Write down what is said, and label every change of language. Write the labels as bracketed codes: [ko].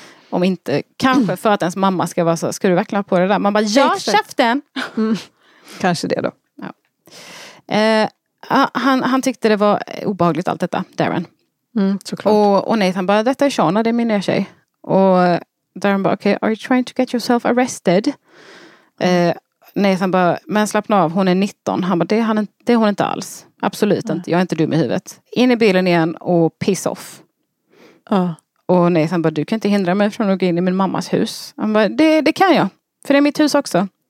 [sv] Om inte, kanske för att ens mamma ska vara så, ska du verkligen på det där? Man bara, ja, käften! Kanske det då. Ja. Han tyckte det var obehagligt allt detta, Darren. Mm, såklart. Och Nathan bara, detta är Shana, det är min nya tjej. Och Darren bara, [en] okay, are you trying to get yourself arrested? [sv] Nathan bara, men slappna av, hon är 19. Han bara, det är hon inte alls. Absolut inte, jag är inte dum i huvudet. In i bilen igen och [en] piss off. [sv] Och Nathan bara, du kan inte hindra mig från att gå in i min mammas hus. Han bara, det kan jag. För det är mitt hus också.